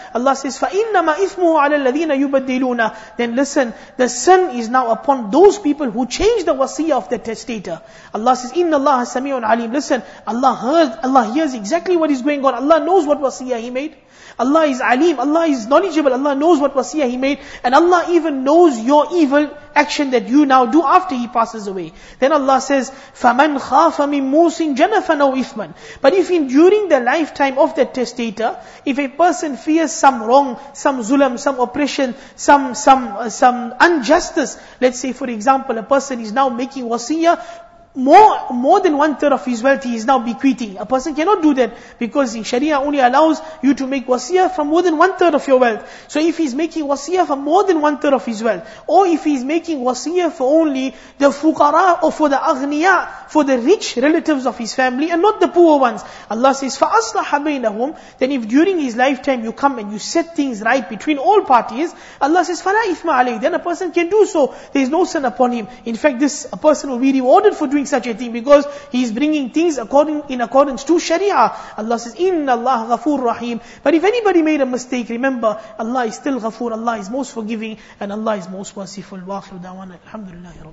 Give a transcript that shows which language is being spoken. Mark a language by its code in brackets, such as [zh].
[en] Allah says, [ar] فَإِنَّمَا إِثْمُهُ عَلَى الَّذِينَ يُبَدِّلُونَ. [en] Then listen, the sin is now upon those people who change the wasiyah of the testator. Allah says, [ar] إِنَّ اللَّهَ سَمِيعٌ عَلِيمٌ. [en] Listen, Allah hears exactly what is going on. Allah knows what wasiyah he made. Allah is alim, Allah is knowledgeable, Allah knows what wasiyah he made, and Allah even knows your evil action that you now do after he passes away. Then Allah says, [ar] فَمَنْ خَافَ مِنْ مُوسٍ جَنَفًا أَوْ إِثْمًا. [en] But if in during the lifetime of the testator, if a person fears some wrong, some zulam, some oppression, some injustice, let's say for example, a person is now making wasiyah, More than one third of his wealth he is now bequeathing. A person cannot do that because in Sharia only allows you to make wasiyah from more than one third of your wealth. So if he's making wasiyah for more than one third of his wealth, or if he's making wasiyah for only the fuqara or for the aghniya, for the rich relatives of his family and not the poor ones, Allah says, [ar] فَأَصْلَحَ بَيْنَهُمْ. [en] Then if during his lifetime you come and you set things right between all parties, Allah says, [ar] فَلَا إِثْمَ عَلَيْهِ. [en] Then a person can do so. There is no sin upon him. In fact, this a person will be rewarded for doing such a thing because he is bringing things in accordance to Sharia. Allah says, [ar] إِنَّ اللَّهَ غَفُورٌ رَحِيمٌ. [en] But if anybody made a mistake, remember, Allah is still غَفُورٌ, Allah is most forgiving, and Allah is most merciful. [ar] وَآخِرُ دَعْوَانَا الْحَمْدُ لِلَّهِ رَبِّ